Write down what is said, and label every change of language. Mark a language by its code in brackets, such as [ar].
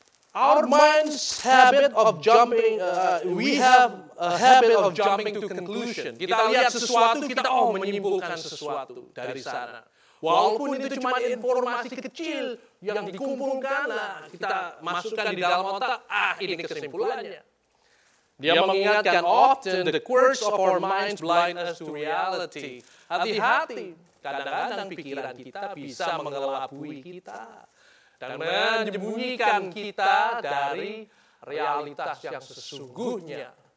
[en] Our mind's habit of jumping, we have a habit of jumping to conclusion. [id] Kita lihat sesuatu, kita menyimpulkan sesuatu dari sana. Walaupun itu cuma informasi kecil yang dikumpulkan, kita masukkan di dalam otak, ini kesimpulannya. Dia mengingatkan, [en] often the quirks of our minds blind us to reality. [id] Hati-hati, kadang-kadang pikiran kita bisa mengelabui kita. Dan menyembunyikan kita dari realitas yang sesungguhnya.